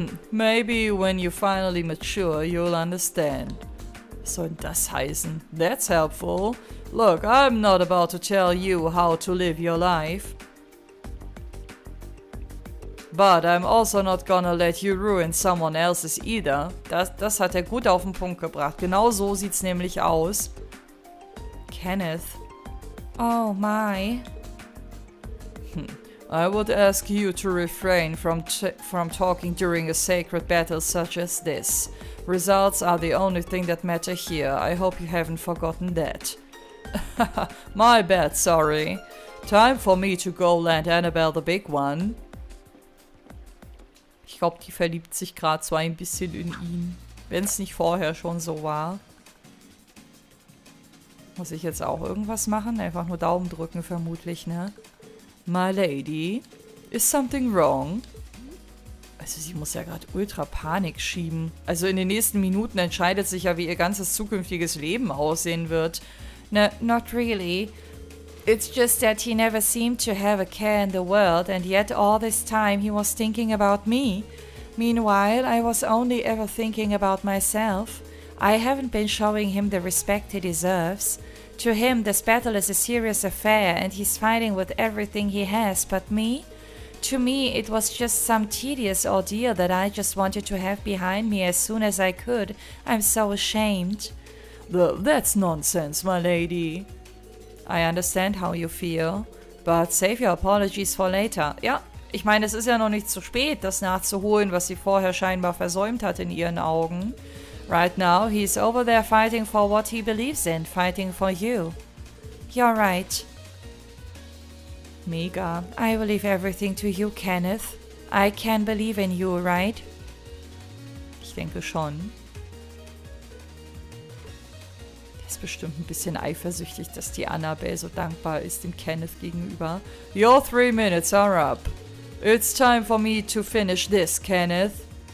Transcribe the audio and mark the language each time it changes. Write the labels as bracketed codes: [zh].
[en] Maybe when you finally mature, you'll understand. [de] Soll das heißen? [en] That's helpful. Look, I'm not about to tell you how to live your life. But I'm also not gonna let you ruin someone else's either. [de] Das hat er gut auf den Punkt gebracht. Genau so sieht's nämlich aus. [en] Kenneth. Oh my. I would ask you to refrain from talking during a sacred battle such as this. Results are the only thing that matter here. I hope you haven't forgotten that. My bad, sorry. Time for me to go land Annabelle the big one. [de] Ich glaube, die verliebt sich gerade so ein bisschen in ihn. Wenn es nicht vorher schon so war. Muss ich jetzt auch irgendwas machen? Einfach nur Daumen drücken vermutlich, ne? [en] My lady, is something wrong? [de] Also sie muss ja gerade ultra Panik schieben. Also in den nächsten Minuten entscheidet sich ja, wie ihr ganzes zukünftiges Leben aussehen wird. [en] No, not really. It's just that he never seemed to have a care in the world and yet all this time he was thinking about me. Meanwhile, I was only ever thinking about myself. I haven't been showing him the respect he deserves. To him, this battle is a serious affair and he's fighting with everything he has, but me? To me, it was just some tedious ordeal that I just wanted to have behind me as soon as I could. I'm so ashamed. That's nonsense, my lady. I understand how you feel, but save your apologies for later. [de] Ja, ich meine, es ist ja noch nicht zu spät, das nachzuholen, was sie vorher scheinbar versäumt hat in ihren Augen. [en] Right now, he's over there fighting for what he believes in, fighting for you. You're right. [de] Mega. [en] I will leave everything to you, Kenneth. I can believe in you, right? [de] Ich denke schon. Der ist bestimmt ein bisschen eifersüchtig, dass die Annabelle so dankbar ist dem Kenneth gegenüber. [en] Your 3 minutes are up. It's time for me to finish this, Kenneth.